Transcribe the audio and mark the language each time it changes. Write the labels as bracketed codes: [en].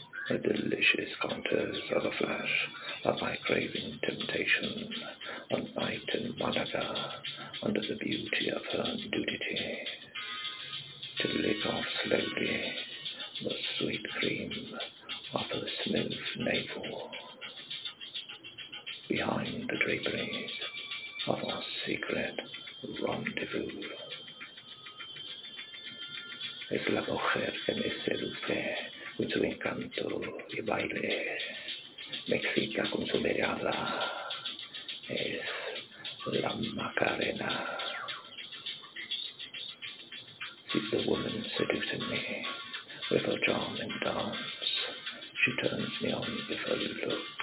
[en] A delicious contours of a flash of my craving temptation, a night in Malaga under the beauty of her nudity, to lick off slowly the sweet cream of her smooth navel, behind the draperies of our secret rendezvous. [es] Es la mujer que me seduce con su encanto y baile, me excita con su mirada, es la Macarena. [en] She's the woman seducing me with her charm and dance. She turns me on with her look.